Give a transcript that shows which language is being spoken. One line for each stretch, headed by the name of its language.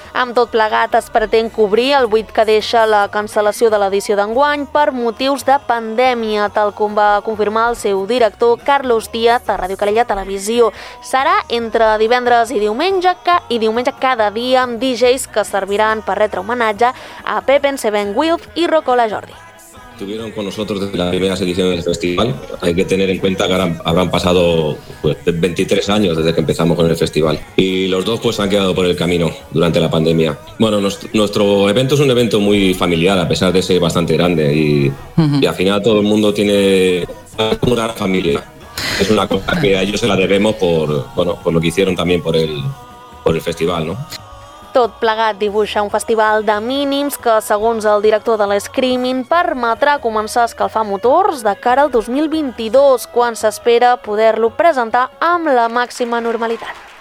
Catalan: Amb tot plegat es pretén cobrir el buit que deixa la cancel·lació de l'edició d'enguany per motius de pandèmia, tal com va confirmar el seu director Carlos Díaz a Ràdio Calella Televisió. Serà entre divendres i diumenge cada dia amb DJs que serviran per retre homenatge a Pepen, Seven Wilf i Rocola Jordi.
Spanish: Estuvieron con nosotros desde las primeras ediciones del festival. Hay que tener en cuenta que habrán pasado pues, 23 años desde que empezamos con el festival. Y los dos pues han quedado por el camino durante la pandemia. Bueno, nuestro evento es un evento muy familiar, a pesar de ser bastante grande. Y al final todo el mundo tiene una gran familia. Es una cosa que a ellos se la debemos por lo que hicieron también por el festival, ¿no?
Catalan: Tot plegat dibuixa un festival de mínims que, segons el director de l'Screaming, permetrà començar a escalfar motors de cara al 2022, quan s'espera poder-lo presentar amb la màxima normalitat.